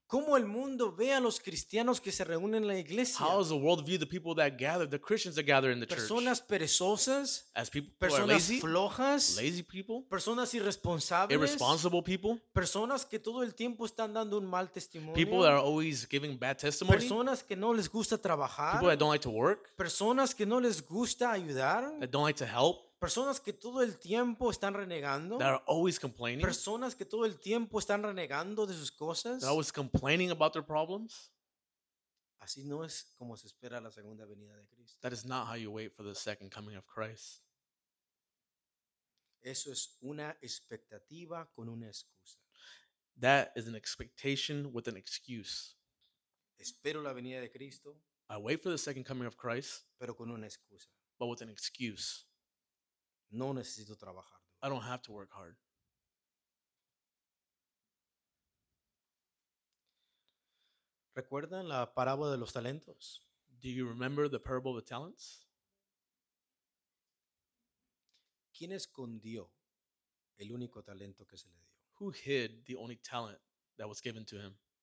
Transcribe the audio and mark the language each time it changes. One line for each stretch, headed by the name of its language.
Spanish: ¿Cómo el mundo ve a los cristianos que se reúnen en la iglesia?
English: How does the world view the people that gather, the Christians that gather in the
Spanish: personas Personas perezosas.
English: As people,
Spanish: personas
English: lazy,
Spanish: flojas.
English: Lazy people.
Spanish: Personas irresponsables.
English: Irresponsible people.
Spanish: Personas que todo el tiempo están dando un mal testimonio.
English: People that are always giving bad testimony.
Spanish: Personas que no les gusta trabajar.
English: People that don't like to work.
Spanish: Personas que no les gusta ayudar.
English: That don't like to help.
Spanish: Personas que todo el tiempo están renegando.
English: That are always complaining.
Spanish: Personas que todo el tiempo están renegando de sus cosas.
English: That are always complaining about their problems.
Spanish: Así no es como se espera la segunda venida de Cristo.
English: That is not how you wait for the second coming of Christ.
Spanish: Eso es una expectativa con una excusa.
English: That is an expectation with an excuse.
Spanish: Espero la venida de Cristo.
English: I wait for the second coming of Christ.
Spanish: Pero con una excusa.
English: But with an excuse.
Spanish: No necesito trabajar.
English: I don't have to work hard.
Spanish: ¿Recuerdan la parábola de los talentos?
English: Do you remember the parable of the talents?
Spanish: ¿Quién escondió el único talento que se le dio?
English: Who hid the only talent that was given to him?